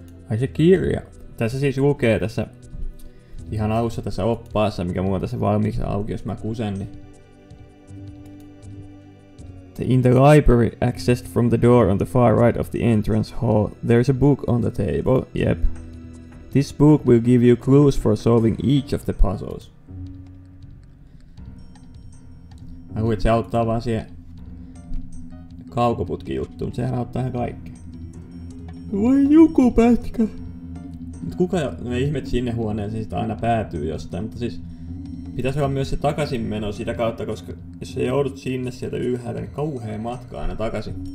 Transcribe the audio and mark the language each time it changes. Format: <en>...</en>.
<fi>Ai se kirja. Tässä siis lukee tässä ihan alussa tässä oppaassa, mikä mulla on tässä valmiiksi auki, jos mä kusen, niin...</fi> <en>The in the library accessed from the door on the far right of the entrance hall, there is a book on the table. Yep. This book will give you clues for solving each of the puzzles.</en> <fi>Mä luulen, että se auttaa vaan siihen kaukoputki juttu, mutta sehän auttaa ihan kaikkea. Voi joku pätkä. Mut kuka ne ihmet sinne huoneeseen sit aina päätyy jostain, mutta siis pitäisi olla myös se takaisinmeno sitä kautta, koska jos sä joudut sinne sieltä ylhäältä, niin kauhea matka aina takaisin.</fi>